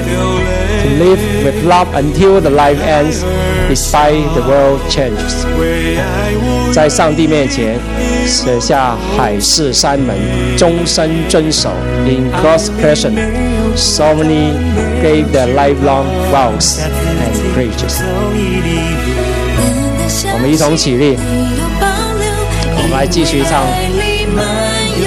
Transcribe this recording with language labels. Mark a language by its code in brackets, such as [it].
[en] To live with love until the life ends, despite the world changes. [zh] 在上帝面前舍下海誓山盟，终身遵守。 [en] In God's presence, so many gave their lifelong vows and pledges. [zh] 我们一同起立，我们来继续唱。